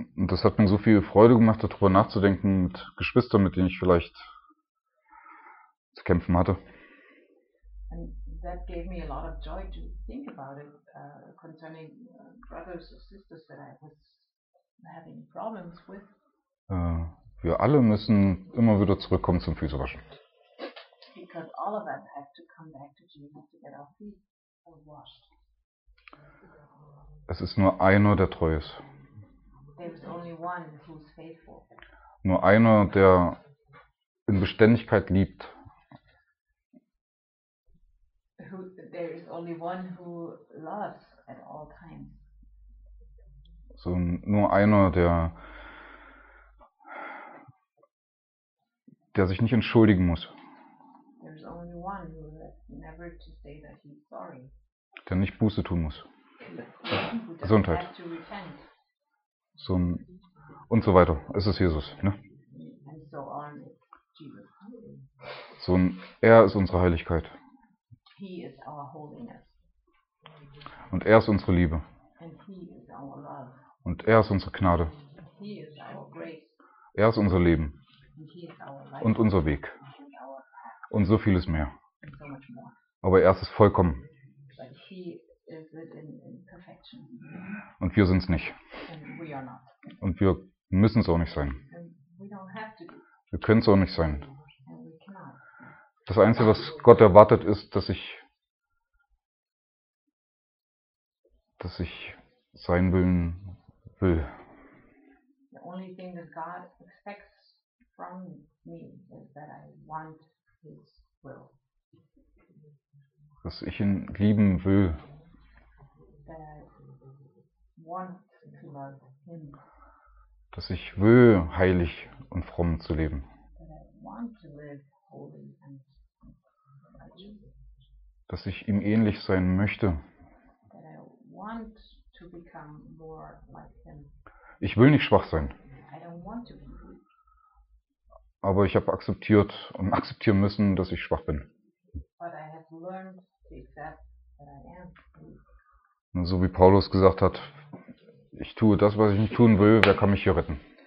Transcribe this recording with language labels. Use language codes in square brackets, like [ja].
[de] Das hat mir so viel Freude gemacht, darüber nachzudenken mit Geschwistern, mit denen ich vielleicht zu kämpfen hatte. [en] And that gave me a lot of joy to think about it concerning brothers or sisters that I was having problems with. [de] Wir alle müssen immer wieder zurückkommen zum Füßewaschen. [en] Because all of us have to come back to Jesus to get our feet washed. [de] Es ist nur einer, der treu ist. [en] There is only one who's faithful. [de] Nur einer, der in Beständigkeit liebt. [en] There is only one who loves at all times. [de] So nur einer, der sich nicht entschuldigen muss. [en] There's only one who has never to say that he's sorry. [de] Der nicht Buße tun muss. Gesundheit. So und so weiter. Es ist Jesus, ne? [en] And so on, Jesus. [de] So ein er ist unsere Heiligkeit. [en] He is our holiness. [de] Und er ist unsere Liebe. [en] And he is our love. [de] Und er ist unsere Gnade. [en] And he is our grace. [de] Er ist unser Leben. [en] And he is our life. [de] Und unser Weg. Und so vieles mehr. [en] And so much more. [de] Aber er ist es vollkommen. [en] But he is it in perfection. [de] Und wir sind es nicht. [en] And we are not. [de] Und wir müssen es auch nicht sein. [en] And we don't have to. [de] Wir können es auch nicht sein. [en] And we cannot. [de] Das Einzige, was Gott erwartet, ist, dass ich seinen Willen will. [en] The only thing that God expects from me is that I want his will. [de] Dass ich ihn lieben will. [en] That I want to love him. [de] Dass ich will, heilig und fromm zu leben. [en] That I want to live holy and [de] dass ich ihm ähnlich sein möchte. [en] That I want to become more like him. [de] Ich will nicht schwach sein. [en] I don't want to be. [de] Aber ich habe akzeptiert und akzeptieren müssen, dass ich schwach bin. [en] But I have learned to accept that I am. [de] Und so wie Paulus gesagt hat, ich tue das, was ich nicht tun will, wer kann mich hier retten?